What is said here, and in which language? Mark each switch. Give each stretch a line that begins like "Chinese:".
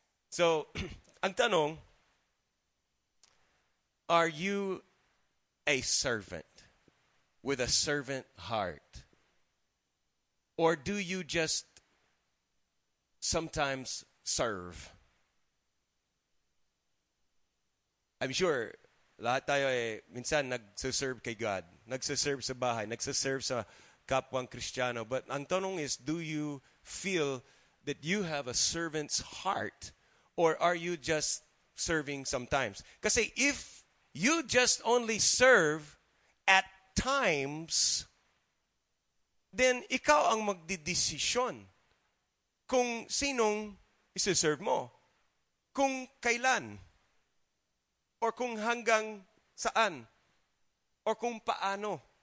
English: So,
Filipino: ang tanong,
English: are you a servant with a servant heart? Or do you just sometimes serve? I'm sure
Filipino: lahat tayo ay minsan nagsaserve kay God, nagsaserve sa bahay, nagsaserve sa kapwang Kristiyano.
English: But
Filipino: ang tanong
English: is, do you feel that you have a servant's heart? Or are you just serving sometimes?
Filipino: Kasi
English: if you just only serve at times, then
Filipino: ikaw ang magdidesisyon kung sinong isi-serve mo, kung kailan, or kung hanggang saan, or kung paano.